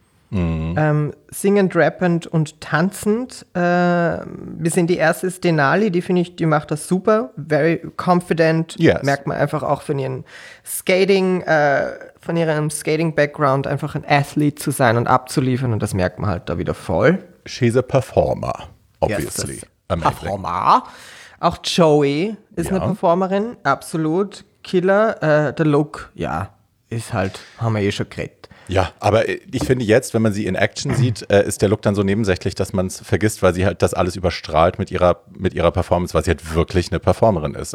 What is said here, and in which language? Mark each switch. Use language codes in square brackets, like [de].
[de] Singend, rappend und tanzend. Wir sehen, die erste ist Denali, die macht das super. [en] Very confident. Yes. [de] Merkt man einfach auch von ihren Skating, von ihrem Skating-Background, einfach ein Athlete zu sein und abzuliefern. Und das merkt man halt da wieder voll. [en] She's a performer, obviously. Yes, performer. [de] Auch Joey ist eine Performerin, absolut. Killer. Der Look, ist halt, haben wir eh schon geredet. Ja, aber ich finde jetzt, wenn man sie in Action sieht, ist der Look dann so nebensächlich, dass man es vergisst, weil sie halt das alles überstrahlt mit ihrer Performance, weil sie halt wirklich eine Performerin ist.